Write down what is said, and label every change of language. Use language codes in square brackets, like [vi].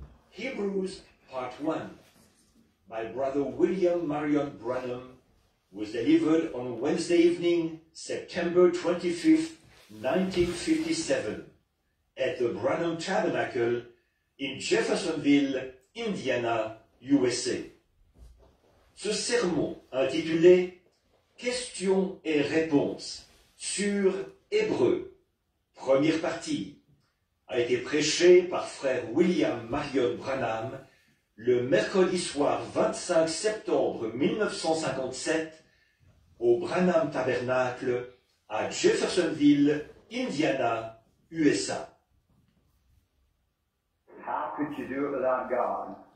[en] Hebrews Part 1 by Brother William Marion Branham was delivered on Wednesday evening, September 25, 1957, at the Branham Tabernacle in Jeffersonville, Indiana, USA. [fr] Ce sermon intitulé « Questions et réponses sur Hébreu, première partie » a été prêché par frère William Marion Branham le mercredi soir 25 septembre 1957 au Branham Tabernacle à Jeffersonville, Indiana, USA. [en] How could you do it without God?